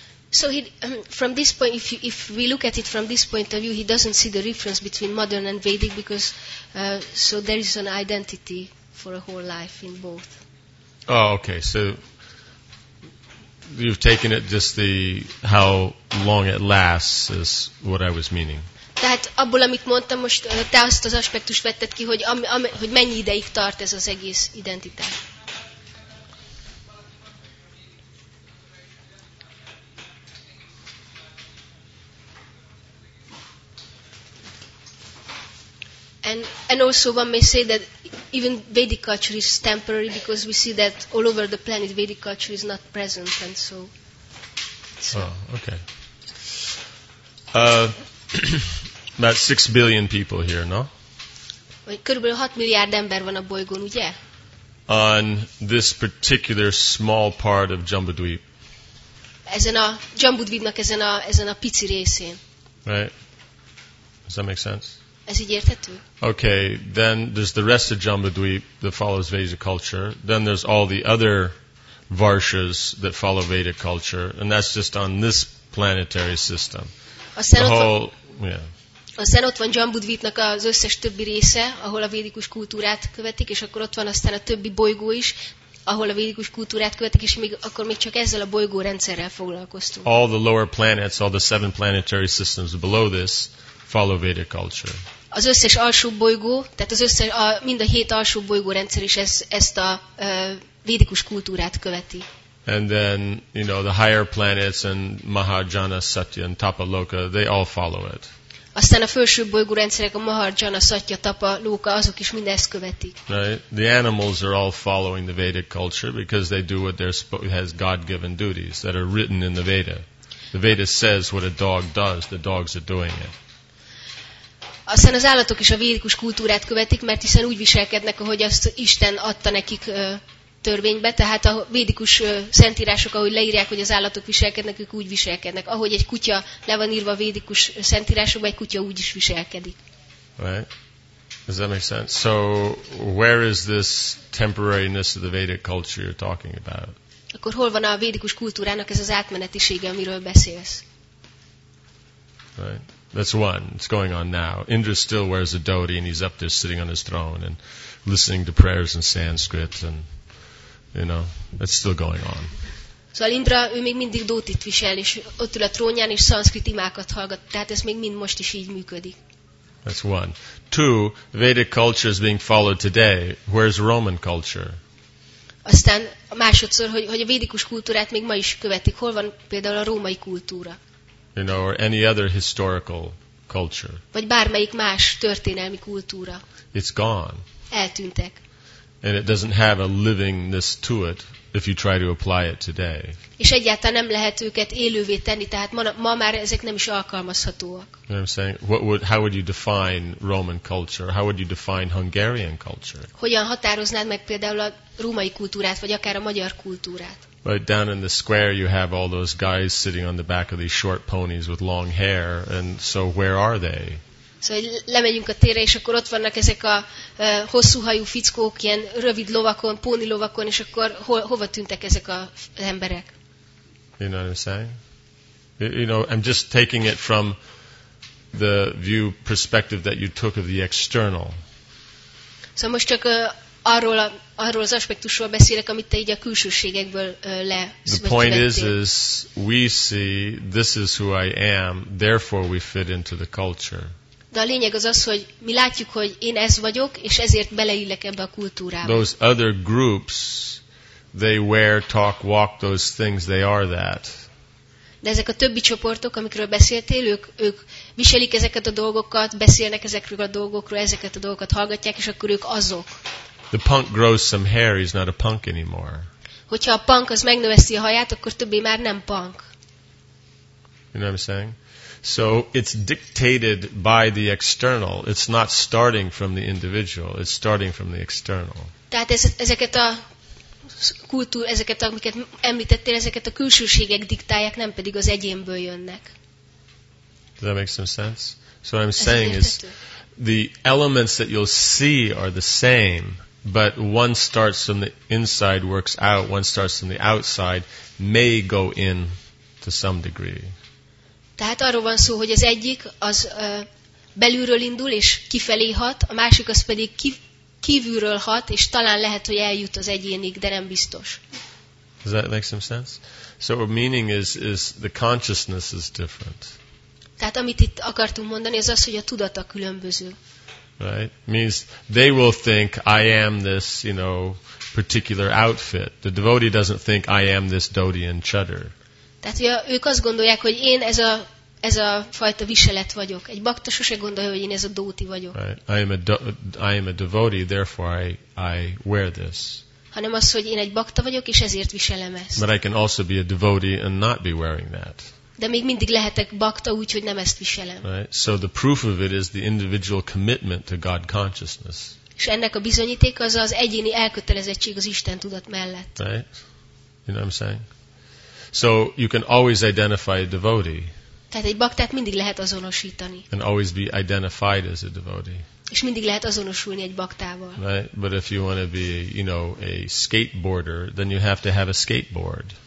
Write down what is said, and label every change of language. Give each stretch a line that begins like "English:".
English: So he, from this point, if we look at it from this point of view, he doesn't see the difference between modern and Vedic because so there is an identity for a whole life in both. Oh, okay. So you've taken it just the how long it lasts is what I was meaning.
Hungarian: Tehát abból, amit mondtam most, te azt az aspektust vetted ki, hogy mennyi ideig tart ez az egész identitás.
English: And also one may say that even Vedic culture is temporary because we see that all over the planet Vedic culture is not present and so. Okay. About 6 billion people here, no?
Hungarian: Körülbelül 6 milliárd ember van a bolygón, ugye?
English: On this particular small part of Jambudvip.
Hungarian: Ezen a Jambudvipnak ezen a pici részén.
English: Right? Does that make sense?
Hungarian: Ez így érthető?
English: Okay, then there's the rest of Jambudvip that follows Vedic culture. Then there's all the other varshas that follow Vedic culture, and that's just on this planetary system.
Hungarian: A szen ott van Jambudvipnak az összes többi része, ahol a védikus kultúrát követik, és akkor ott van aztán a többi bolygó is, ahol a védikus kultúrát követik, és még, akkor még csak ezzel a bolygó rendszerrel foglalkoztunk.
English: All the lower planets, all the seven planetary systems below this follow Vedic culture.
Hungarian: Az összes alsó bolygó, tehát az összes, a, mind a hét alsó bolygó rendszer is ezt a védikus kultúrát követi.
English: And then, you know, the higher planets and Mahajana, Satya and Tapaloka, they all follow it.
Hungarian: Aztán a felső bolygó rendszerek, a Mahajana, Satya, Tapa, Loka, azok is mind ezt követik.
English: Right? The animals are all following the Vedic culture because they do what they're has God-given duties that are written in the Veda. The Veda says what a dog does, the dogs are doing it.
Hungarian: Aztán az állatok is a védikus kultúrát követik, mert hiszen úgy viselkednek, ahogy azt Isten adta nekik törvénybe, tehát a védikus szentírások, ahogy leírják, hogy az állatok viselkednek, ők úgy viselkednek. Ahogy egy kutya le van írva a védikus szentírásokba, egy kutya úgy is viselkedik.
English: Right. Does that make sense? So, where is this temporariness of the Vedic culture you're talking about?
Hungarian: Akkor hol van a védikus kultúrának ez az átmenetisége, amiről beszélsz?
English: Right. That's one. It's going on now. Indra still wears a dhoti and he's up there sitting on his throne and listening to prayers in Sanskrit and, you know, that's still going on.
Hungarian: Szóval Indra, ő még mindig dhotit visel, és ott ül a trónján, és szanszkrit imákat hallgat. Tehát ez még mind most is így működik.
English: That's one. Two, Vedic culture is being followed today. Where's Roman culture?
Hungarian: Aztán a másodszor, hogy a védikus kultúrát még ma is követik. Hol van például a római kultúra?
English: You know, or any other historical culture.
Hungarian: Vagy bármelyik más történelmi kultúra.
English: It's gone.
Hungarian: Eltűntek.
English: And it doesn't have a livingness to it if you try to apply it today.
Hungarian: És egyáltalán nem lehet őket élővé tenni, tehát ma már ezek nem is alkalmazhatóak.
English: You know what I'm saying? How would you define Roman culture? How would you define Hungarian culture?
Hungarian: Hogyan határoznád meg például a római kultúrát, vagy akár a magyar kultúrát?
English: Right down in the square you have all those guys sitting on the back of these short ponies with long hair, and so where are they?
Hungarian: Szóval lemegyünk a térre, és akkor ott vannak ezek a hosszú hajú fickók, ilyen rövid lovakon, póni lovakon, és akkor hova tűntek ezek az emberek?
English: You know what I'm saying? You know, I'm just taking it from the view perspective that you took of the external.
Hungarian: Szóval most csak arról az aspektusról beszélek, amit te így a külsőségekből
English: The point is we see this is who I am, therefore we fit into the culture.
Hungarian: De a lényeg az az, hogy mi látjuk, hogy én ez vagyok, és ezért beleillek ebbe a kultúrába.
English: Those other groups, they wear, talk, walk those things, they are that.
Hungarian: De ezek a többi csoportok, amikről beszéltél, ők viselik ezeket a dolgokat, beszélnek ezekről a dolgokról, ezeket a dolgokat hallgatják, és akkor ők azok.
English: The punk grows some hair, he's not a punk anymore.
Hungarian: Hogyha a punk az megnöveszi a haját, akkor többé már nem punk.
English: You know what I'm saying? So it's dictated by the external. It's not starting from the individual. It's starting from the external.
Hungarian: Tehát ezeket a kultúr, ezeket, amiket említettél, ezeket a külsőségek diktálják, nem pedig az egyénből jönnek.
English: Does that make some sense? So what I'm saying is the elements that you'll see are the same, but one starts from the inside, works out, one starts from the outside, may go in to some degree.
Hungarian: Tehát arról van szó, hogy az egyik az belülről indul és kifelé hat, a másik az pedig kívülről hat, és talán lehet, hogy eljut az egyénig, de nem biztos.
English: Does that make some sense? So what meaning is the consciousness is different.
Hungarian: Tehát amit itt akartunk mondani, az az, hogy a tudata különböző.
English: Right? Means they will think I am this, you know, particular outfit. The devotee doesn't think I am this dhoti and chadar.
Hungarian: Tehát ők azt gondolják, hogy én ez a fajta viselet vagyok. Egy bakta sose gondolja, hogy én ez a dhoti vagyok.
English: Right. I am a devotee, therefore I wear this.
Hungarian: Hanem az, hogy én egy bakta vagyok, és ezért viselem ezt.
English: But I can also be a devotee and not be wearing that.
Hungarian: De még mindig lehetek bakta, úgyhogy nem ezt viselem.
English: Right. So the proof of it is the individual commitment to God consciousness.
Hungarian: És ennek a bizonyíték az az egyéni elkötelezettség az Isten tudat mellett.
English: Right. You know what I'm saying? So you can always identify a devotee.
Hungarian: Tehát egy baktát mindig lehet azonosítani.
English: And always be identified as a devotee.
Hungarian: És mindig lehet azonosulni egy baktával.
English: Right? But if you want to be, you know, a skateboarder, then you have to have a skateboard.